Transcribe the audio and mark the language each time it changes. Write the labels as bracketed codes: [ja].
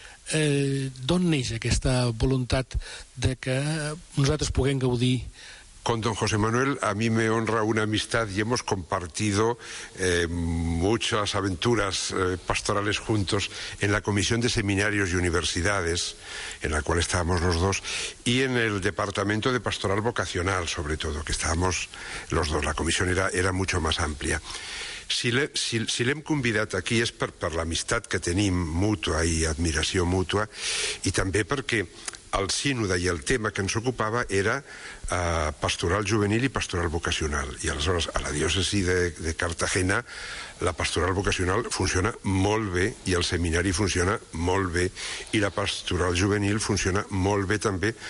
[ca] D'on neix aquesta voluntat de que nosaltres puguem gaudir? [es] Con don José Manuel, a mí me honra una amistad y hemos compartido muchas aventuras pastorales juntos en la Comisión de Seminarios y Universidades, en la cual estábamos los dos, y en el Departamento de Pastoral Vocacional, sobre todo, que estábamos los dos. La comisión era mucho más amplia. [ca] Si l'hem convidat aquí és per l'amistat que tenim mútua i admiració mútua, i també perquè el sínode i el tema que ens ocupava era pastoral juvenil i pastoral vocacional. I aleshores, a la diòcesi de Cartagena, la pastoral vocacional funciona molt bé i el seminari funciona molt bé i la pastoral juvenil funciona molt bé també.